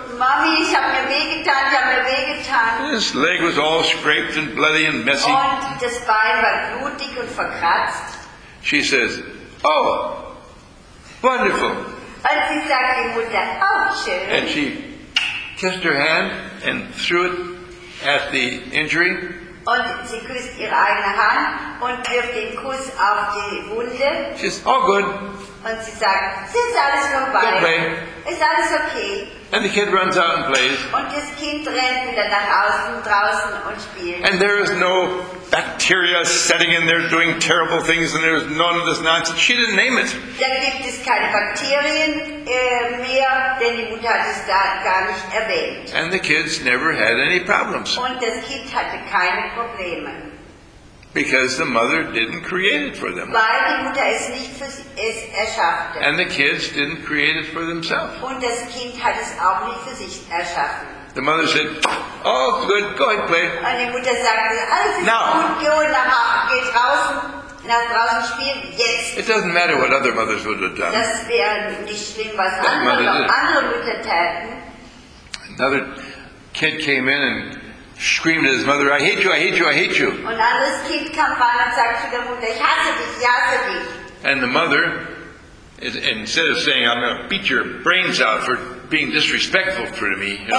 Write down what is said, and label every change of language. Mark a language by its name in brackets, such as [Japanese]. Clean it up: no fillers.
[German] Mommy, ich habe mir wehgetan, ich habe mir wehgetan. [English] His leg was all scraped and bloody and messy. [German] Und das Bein war blutig und verkratzt. [English] She says, oh, wonderful. [German] Und sie sagt die Mutter, oh, schön. [English] And she kissed her hand and threw it at the injury. [German] Und sie küsst ihre eigene Hand und wirft den Kuss auf die Wunde. [English] She says, all good. [German] Und sie sagt, es ist alles vorbei. [English] Good play. [German] Ist alles okay. [English] And the kid runs out and plays. [German] Und das Kind rennt wieder nach außen, draußen und spielt. [English] And there is no bacteria setting in there doing terrible things, and there's none of this nonsense. She didn't name it. [German] Da gibt es keine Bakterien mehr, denn die Mutter hat es da gar nicht erwähnt. [English] And the kids never had any problems. [German] Und das Kind hatte keine Probleme. [English] Because the mother didn't create it for them. [German] Weil die Mutter es nicht für es erschaffte. [English] And the kids didn't create it for themselves. [German] Und das Kind hat es auch nicht für sich erschaffen. [English] The mother said, oh, good, go ahead, play. [German] Und die Mutter sagte, alles ist [English] now, [German] gut, geh und geh draußen, nach draußen spielen, jetzt. [English] It doesn't matter what other mothers would have done. [German] Das wäre nicht schlimm, was andere Mütter taten. [English] Another kid came in and screamed at his mother, I hate you, I hate you, I hate you. [German] Und ein anderes Kind kam an und sagte zu der Mutter, ich hasse dich, ich hasse dich. [English] And the mother, instead of saying, I'm going to beat your brains out for being disrespectful to me.